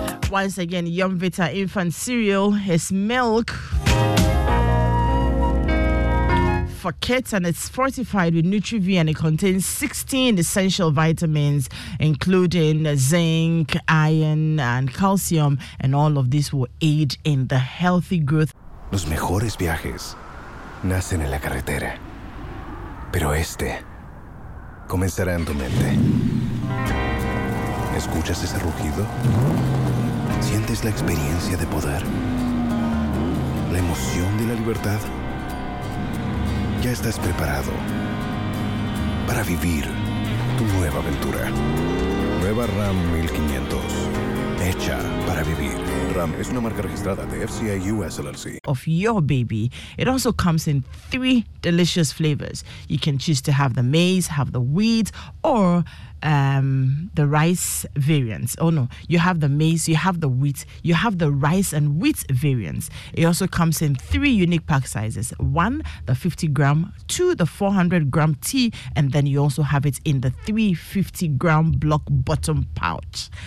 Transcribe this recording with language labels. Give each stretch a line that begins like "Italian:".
English: Once again, Yum Vita infant cereal is milk for kids, and it's fortified with Nutri-V, and it contains 16 essential vitamins, including zinc, iron, and calcium. And all of this will aid in the healthy growth.
Spanish: Los mejores viajes nacen en la carretera, pero este comenzará en tu mente. ¿Escuchas ese rugido? ¿Sientes la experiencia de poder? ¿La emoción de la libertad? Ya estás preparado para vivir tu nueva aventura. Nueva Ram 1500. Hecha para vivir. Ram es una marca registrada de FCA US LLC.
English: Of your baby. It also comes in three delicious flavors. You can choose to have the maize, have the wheat, or the rice variants. Oh no, you have the maize, you have the wheat, you have the rice and wheat variants. It also comes in three unique pack sizes. One, the 50 gram, two, the 400 gram tea, and then you also have it in the 350 gram block bottom pouch.